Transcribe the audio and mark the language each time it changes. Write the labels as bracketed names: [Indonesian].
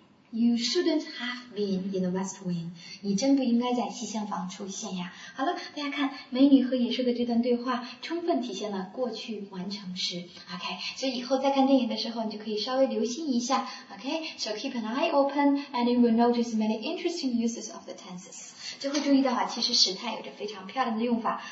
[English] You shouldn't have been in the West Wing. [Chinese] 你真不应该在西厢房出现呀。好了，大家看美女和野兽的这段对话，充分体现了过去完成时。 OK， 所以以后再看电影的时候，你就可以稍微留心一下。 [English] OK， so keep an eye open, and you will notice many interesting uses of the tenses. [Chinese] 就会注意到啊，其实时态有着非常漂亮的用法。